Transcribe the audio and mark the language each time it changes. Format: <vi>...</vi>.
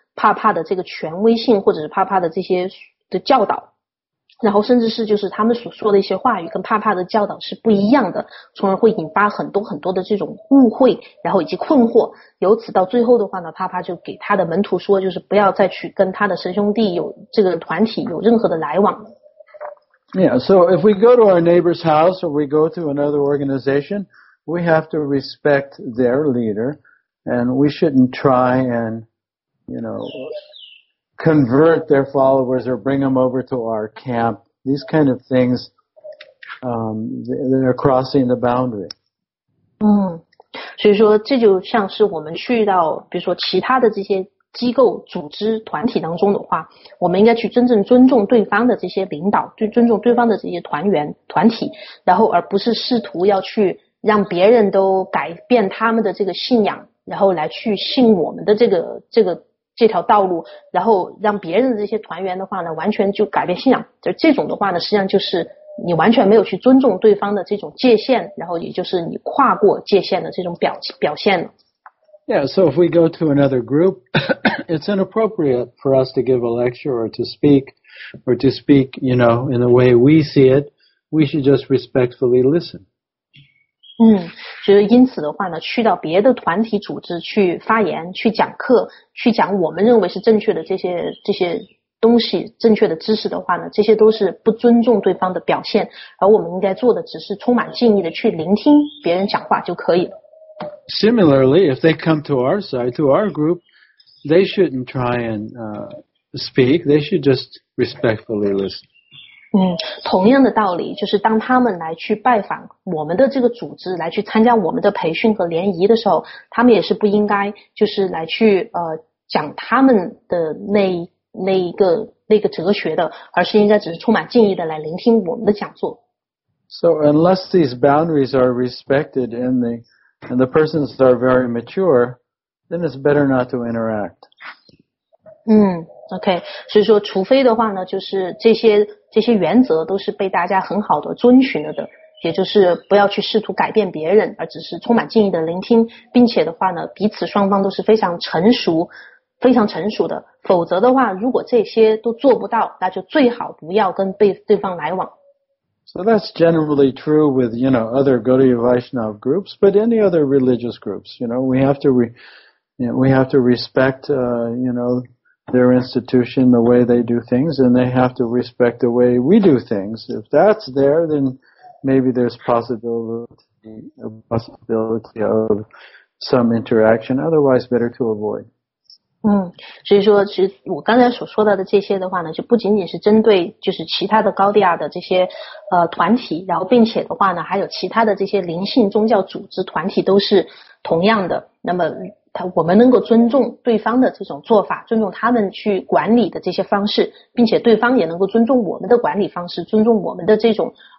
<zh>帕帕的这个权威性或者是帕帕的这些的教导，然后甚至是就是他们所说的一些话语跟帕帕的教导是不一样的，从而会引发很多很多的这种误会，然后以及困惑，由此到最后的话呢，帕帕就给他的门徒说，就是不要再去跟他的神兄弟有这个团体有任何的来往。</zh> <en>Yeah, so if we go to our neighbor's house or we go to another organization, we have to respect their leader and we shouldn't try andYou know, convert their followers or bring them over to our camp. These kind of things, they're crossing the boundary.</en> <zh>所以说这就像是我们去到比如说其他的这些机构组织团体当中的话，我们应该去真正尊重对方的这些领导，去尊重对方的这些团员团体，然后而不是试图要去让别人都改变他们的这个信仰，然后来去信我们的这条道路，然后让别人的这些团员的话呢完全就改变信仰，就这种的话呢实际上就是你完全没有去尊重对方的这种界限，然后也就是你跨过界限的这种表现了。</zh> <en>Yeah, so if we go to another group, it's inappropriate for us to give a lecture or to speak, you know, in the way we see it. We should just respectfully listen.</en> <zh>所以因此的话呢，去到别的团体组织去发言、去讲课、去讲我们认为是正确的这些东西正确的知识的话呢，这些都是不尊重对方的表现，而我们应该做的只是充满敬意的去聆听别人讲话就可以了。</zh> <en>Similarly, if they come to our side, to our group, they shouldn't try and, speak, they should just respectfully listen.</en> <zh>同样的道理，就是当他们来去拜访我们的这个组织，来去参加我们的培训和联谊的时候，他们也是不应该就是来去讲他们的那个哲学的，而是应该只是充满敬意的来聆听我们的讲座。</zh> <en>So unless these boundaries are respected and the persons are very mature, then it's better not to interact. Okay.</en> <zh>所以说，除非的话呢，就是这些原则都是被大家很好的遵循了的，也就是不要去试图改变别人，而只是充满敬意的聆听，并且的话呢，彼此双方都是非常成熟。非常成熟的，否则的话，如果这些都做不到，那就最好不要跟对方来往。</zh> <en>So that's generally true with, you know, other Gaudiya Vaishnava groups, but any other religious groups, you know, we have to respect, you know, their institution, the way they do things, and they have to respect the way we do things. If that's there, then maybe there's a possibility of some interaction. Otherwise, better to avoid.</en> <zh>所以说其实我刚才所说到的这些的话呢，就不仅仅是针对就是其他的高地亚的这些团体，然后并且的话呢还有其他的这些灵性宗教组织团体都是同样的，那么我们能够尊重对方的这种做法，尊重他们去管理的这些方式，并且对方也能够尊重我们的管理方式，尊重我们的这种</zh>